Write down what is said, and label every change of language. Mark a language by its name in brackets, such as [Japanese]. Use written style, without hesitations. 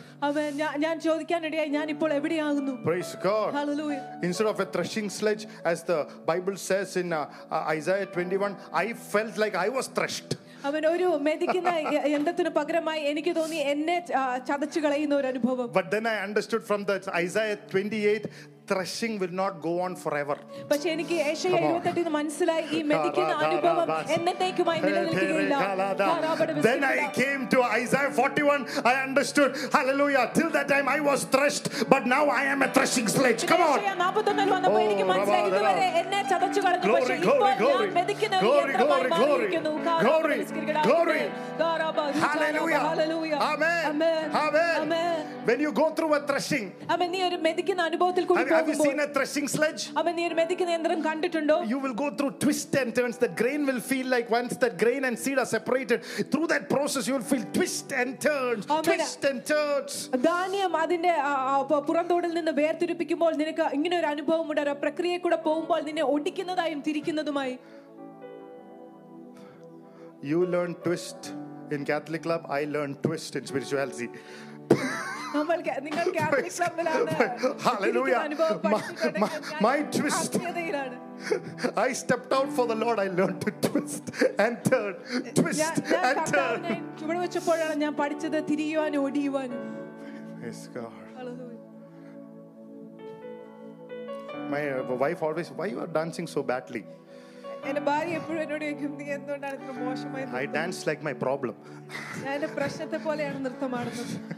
[Malayalam] അമ്മ ഞാൻ ചോദിക്കാനിടയായി, ഞാൻ ഇപ്പോൾ എവിടെയാകുന്നു? [English] Praise God. Hallelujah. Instead of a threshing sledge as the Bible says in Isaiah 21, I felt like I was threshed. [Malayalam] അവൻ ഒരു മെതിക്കുന്ന യന്ത്രത്തിന് പകരമായി എനിക്ക് തോന്നി എന്നെ ചതച്ചു കളയുന്ന ഒരു അനുഭവം. [English] But then I understood from that Isaiah 28, threshing will not go on forever. [Malayalam] പക്ഷേ എനിക്ക് യെശയ്യ 28 ന് മനസ്സിലായി ഈ മെതിക്കുന്ന അനുഭവം എന്നത്തേക്കുമായി നിലനിൽക്കില്ല. [English] Then I came to Isaiah 41. I understood. Hallelujah. Till that time I was threshed, but now I am a threshing sledge. Come on. [Malayalam] Isaiah 41 ൽ വന്നപ്പോൾ എനിക്ക് മനസ്സിലായി ഇതുവരെ എന്നെ ചതച്ചു കളഞ്ഞു. പക്ഷേ ഇപ്പോൾ ഞാൻ മെതിക്കുന്ന ഒരു യന്ത്രമായി മാറിയിരിക്കുന്നു. [English] Glory. Hallelujah. Hallelujah. Amen. Amen. Amen. Amen. When you go through a threshing. [Malayalam] അമ്മേ, നീ ഒരു മെതിക്കുന്ന അനുഭവത്തിൽ കൂടി പോകുമ്പോൾ. [English] Have you seen a threshing sledge? [Malayalam] അമ്മേ, നീ ഒരു മെതിക്കുന്ന യന്ത്രം കണ്ടിട്ടുണ്ടോ? [English] You will go through twists and turns. That grain will feel like once that grain and seed are separated, through that process you will feel twists and turns. Twists and turns. [Malayalam] ധാന്യം അതിന്റെ പുറന്തോടിൽ നിന്ന് വേർതിരിപ്പിക്കുമ്പോൾ നിനക്ക് ഇങ്ങനെ ഒരു അനുഭവം ഉണ്ട്. ആ പ്രക്രിയ കൂടെ പോകുമ്പോൾ നിന്നെ ഒടിക്കുന്നതായും തിരിക്കുന്നതുമായി. [English] You learn twist in Catholic club. I learn twist in spirituality. Hallelujah. My twist. I stepped out for the Lord. I learned to twist and turn. Twist and turn. [Malayalam] ഇവിടെ വെച്ചപ്പോഴാണ് ഞാൻ പഠിച്ചത് തിരിയുവാൻ ഓടിയുവാൻ. [English] Praise God. Hallelujah. My wife always, why you are dancing so badly? [Malayalam] എന്റെ ഭാര്യ എപ്പോഴും എന്നോട് ചോദിക്കും, നീ എന്തുകൊണ്ടാണ് ഇത്ര മോശമായി? [English] I dance like my problem. [Malayalam] ഞാൻ എന്റെ പ്രശ്നത്തെ പോലെയാണ് നൃത്തമാടുന്നത്.